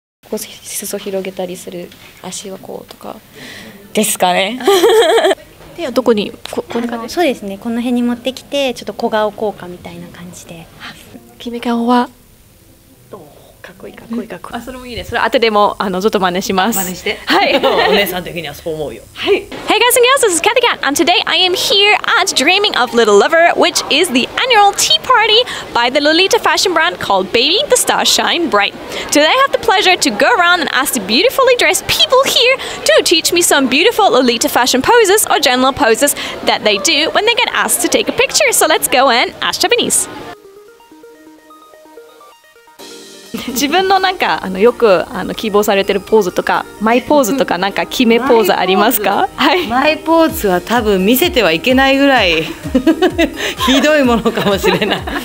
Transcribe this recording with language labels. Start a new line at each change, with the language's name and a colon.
Japanese: こう裾を広げたりする、足はこうとかですかね。手はどこに、こんな感じ。そうですね、この辺に持ってきて、ちょっと小顔効果みたいな感じで。決め顔はかっこいい、かっこいい、かっこいい。あ、それもいいね。それ後でも、ちょっと真似します。真似して。はい。お姉さん的にはそう思うよ。はい。
English: Hey guys and girls, this is Kathy Cat, and today I am here at Dreaming of Little Lover, which is the annual tea party by the Lolita fashion brand called Baby the Star Shine Bright. Today I have the pleasure to go around and ask the beautifully dressed people here to teach me some beautiful Lolita fashion poses or general poses that they do when they get asked to take a picture. So let's go and ask Japanese.
Japanese: 自分のなんかよく希望されてるポーズとかマイポーズとかなんか決めポーズありますか？はい、マイポーズは多分見せてはいけないぐらいひどいものかもしれない。